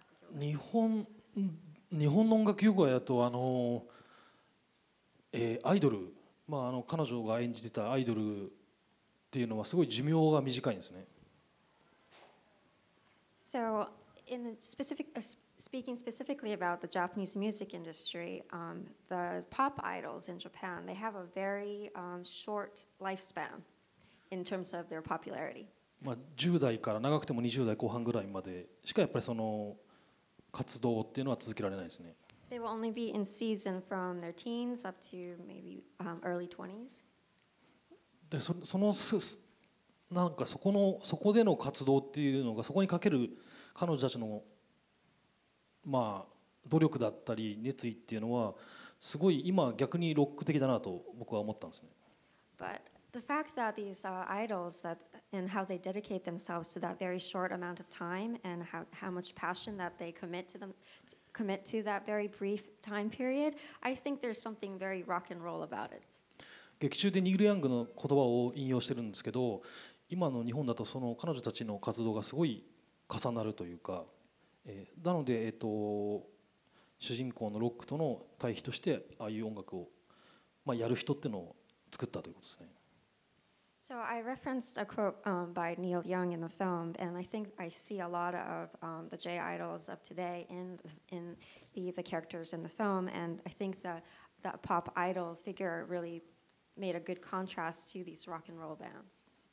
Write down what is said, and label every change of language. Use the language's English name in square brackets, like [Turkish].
[Japanese] 日本の音楽業界だとアイドル、まあ、彼女が演じてたアイドルっていうのはすごい寿命が短いんですね。 [English] So, in the specific, speaking specifically about the Japanese music industry, the pop idols in Japan, they have a very short lifespan in terms of their popularity. [Japanese] まあ、10代から長くても20代後半ぐらいまでしかやっぱりその活動っていうのは続けられないですね。 [English] They will only be in season from their teens up to maybe early 20s. [Japanese] で、そのなんかそこでの活動っていうのがそこにかける彼女たちのまあ努力だったり熱意っていうのはすごい今逆にロック的だなと僕は思ったんですね。 [English] But the fact that these idols thatand how they dedicate themselves to that very short amount of time and how much passion that they commit to that very brief time period, I think there's something very rock and roll about it. [Japanese] 劇中でニール・ヤングの言葉を引用してるんですけど、今の日本だとその彼女たちの活動がすごい重なるというか、なので、主人公のロックとの対比としてああいう音楽を、まあ、やる人っていうのを作ったということですね。 [English] So I referenced a quote by Neil Young in the film, and I think I see a lot of the J idols of today in the characters in the film, and I think that pop idol figure really made a good contrast to these rock and roll bands.